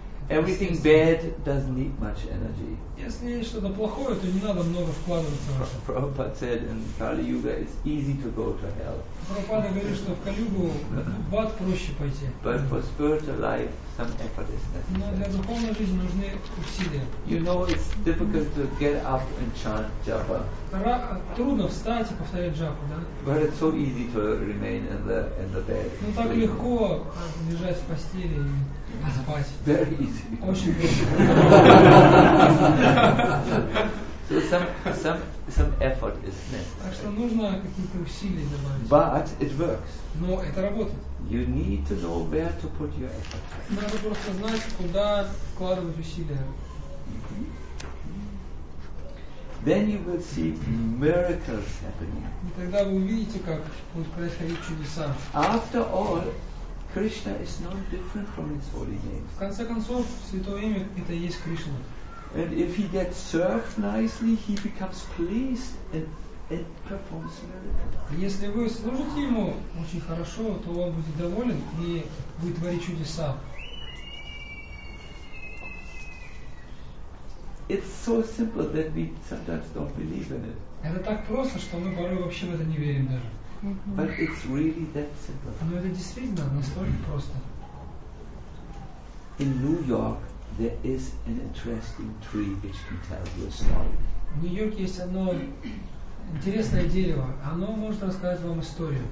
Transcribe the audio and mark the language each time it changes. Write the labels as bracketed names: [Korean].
[English] Everything bad doesn't need much energy. [Russian] Если есть что-то плохое, то не надо много вкладываться. [English] Prabhupada said in Kali Yuga it's easy to go to hell. [Russian] Прабхупада говорит, что в Кали Югу в ад проще пойти. [English] But for spiritual life, some effort is necessary. [Russian] Но для духовной жизни нужны усилия. [English] You know, it's difficult to get up and chant japa. [Russian] Трудно встать и повторять джапу, да? [English] But it's so easy to remain in the bed. [Russian] Ну так легко лежать в постели и спать. [English] Very easy. [Russian] Очень просто. [English] So some effort is necessary. [Russian] Так что нужно какие-то усилия добавить. [English] But it works. [Russian] Но это работает. [English] You need to know where to put your effort. [Russian] Надо просто знать, куда вкладывать усилия. [English] Then you will see miracles happening. [Russian] И тогда вы увидите, как будут происходить чудеса. [English] After all, Krishna is no different from its holy name. [Russian] В конце концов, святое имя это и есть Кришна. [English] And if he gets served nicely, he becomes pleased and performs miracles. [Russian] Если вы служите ему очень хорошо, то он будет доволен и будет творить чудеса. [English] It's so simple that we sometimes don't believe in it. [Russian] Это так просто, что мы порой вообще в это не верим даже. [English] But it's really that simple. [Russian] Но это действительно настолько просто. [English] In New York, there is an interesting tree which can tell you a story. [Russian] В Нью-Йорке есть одно интересное дерево. Оно может рассказать вам историю.